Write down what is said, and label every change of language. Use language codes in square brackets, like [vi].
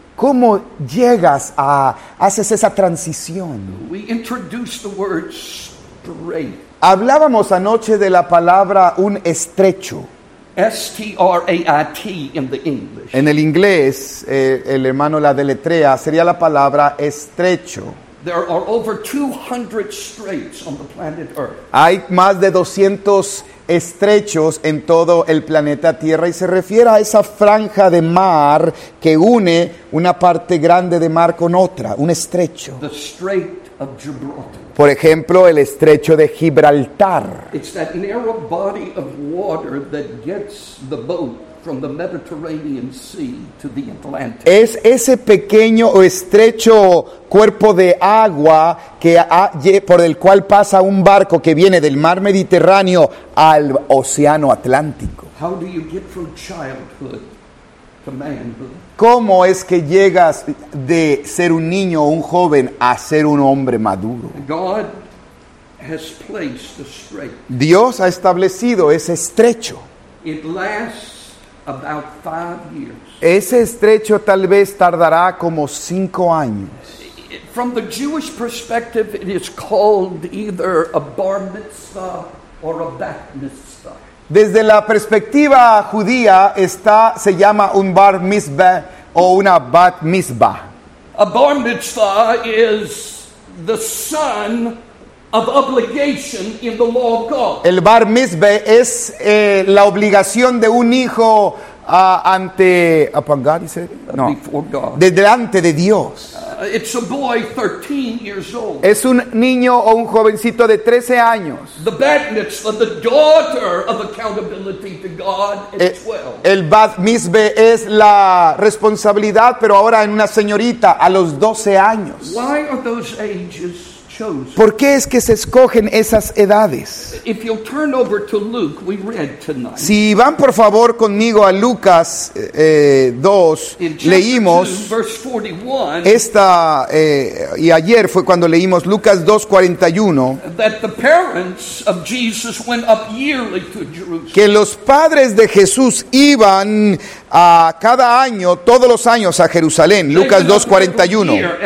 [es] ¿Cómo llegas a haces esa transición? [en] We introduced the word straight. [es] Hablábamos anoche de la palabra un estrecho. [en] S-T-R-A-I-T in the English. [es] En el inglés, el hermano la deletrea, sería la palabra estrecho. [en] There are over 200 straits on the planet Earth. [es] Hay más de 200 estrechos en todo el planeta Tierra y se refiere a esa franja de mar que une una parte grande de mar con otra, un estrecho. [en] The Strait of Gibraltar. [es] Por ejemplo, el estrecho de Gibraltar. [en] It's that narrow body of water that gets the boat from the Mediterranean Sea to the Atlantic. [es] Es ese pequeño o estrecho cuerpo de agua que por el cual pasa un barco que viene del mar Mediterráneo al océano Atlántico. [en] How do you get from childhood to manhood? [es] ¿Cómo es que llegas de ser un niño o un joven a ser un hombre maduro? [en] God has placed a strait. [es] Dios ha establecido ese estrecho. [en] It lasts about 5 years. [es] Ese estrecho tal vez tardará como 5 años. [en] From the Jewish perspective, it is called either a bar mitzvah or a bat mitzvah. [es] Desde la perspectiva judía se llama un bar mitzvah o una bat mitzvah. [en] A bar mitzvah is the son of obligation in the law of God. [es] El bar mitzvah es la obligación de un hijo ante [en] upon God, is it? No. Before God. [es] De delante de Dios. [en] It's a boy 13 years old. [es] Es un niño o un jovencito de 13 años. [en] The bat mitzvah, the daughter of accountability to God at 12. [es] El bat mitzvah es la responsabilidad, pero ahora en una señorita a los 12 años. [en] Why are those ages chosen? [es] ¿Por qué es que se escogen esas edades? [en] If you'll turn over to Luke, we read tonight. [es] Si van por favor conmigo a Lucas 2, leímos [en] 2, verse 41, [es] y ayer fue cuando leímos Lucas 2:41, [en] that the parents of Jesus went up yearly to Jerusalem. [es] Que los padres de Jesús iban a cada año, todos los años a Jerusalén, Lucas 2:41.